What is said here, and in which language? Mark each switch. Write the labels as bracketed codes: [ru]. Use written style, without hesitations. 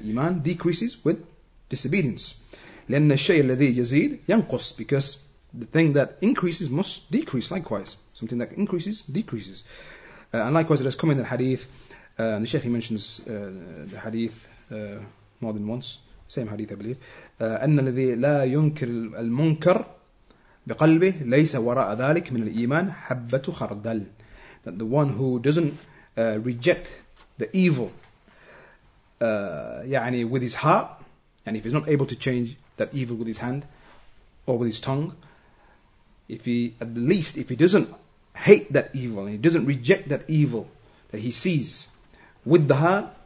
[en] Iman decreases with disobedience. [ar] لَنَّ الشَّيْءَ الَّذِي يَزِيد يَنْقُصْ, [en] because the thing that increases must decrease likewise. Something that increases, decreases. And likewise, it has come in the hadith, and the Shaykh, he mentions the hadith more than once. Same hadith, I believe. [ar] أن الذي لا ينكر المنكر بقلبه ليس وراء ذلك من الإيمان حبة خردل. [en] That the one who doesn't reject the evil, [ar] يعني [en] with his heart, and if he's not able to change that evil with his hand or with his tongue, if he doesn't hate that evil and he doesn't reject that evil that he sees with the heart,